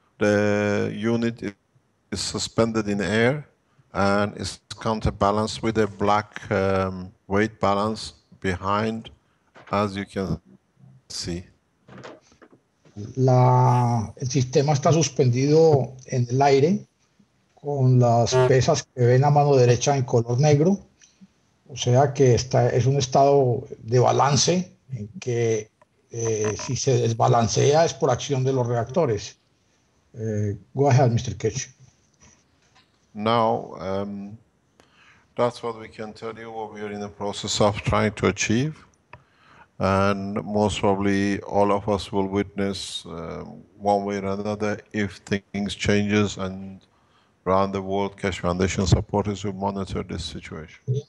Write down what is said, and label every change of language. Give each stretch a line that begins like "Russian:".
English: The unit is suspended in air, and it's counterbalanced with a black weight balance behind, as you can see.
Spanish: El sistema está suspendido en el aire con las pesas que ven a mano derecha en color negro. O sea que es un estado de balance en que si se desbalancea es por acción de los reactores.
English: Go ahead, Mr. Keche. Now, that's what we can tell you, what we are in the process of trying to achieve. And most probably all of us will witness one way or another if things changes, and around the world, Keshe Foundation supporters will monitor this situation.